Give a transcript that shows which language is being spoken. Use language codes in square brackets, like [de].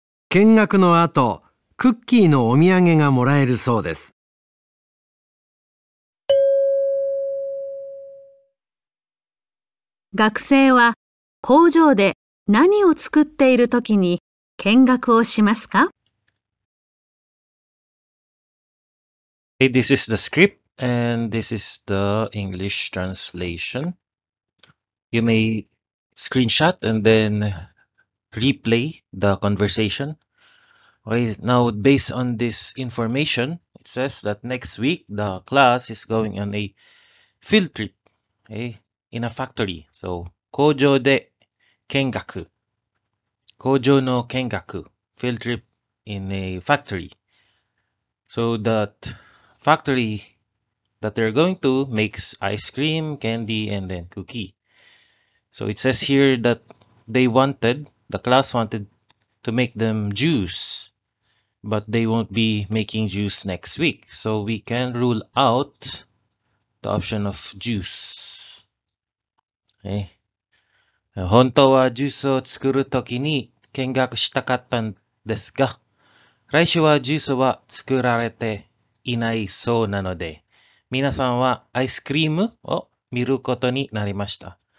[ja] 見学の後、クッキーのお土産がもらえるそうです。学生は工場で何を作っているときに見学をしますか? [en] Hey, this is the script and this is the English translation. You may screenshot and then replay the conversation. Okay, now based on this information, it says that next week the class is going on a field trip. Okay? In a factory. So, [ja] 工場で見学。工場の見学。 [en] Field trip in a factory. So, that factory that they're going to makes ice cream, candy, and then cookie. So, it says here that they wanted, the class wanted to make them juice. But they won't be making juice next week. So, we can rule out the option of juice. [ja] 本当はジュースを作るときに見学したかったんですが、来週はジュースは作られていないそうなので、皆さんはアイスクリームを見ることになりました。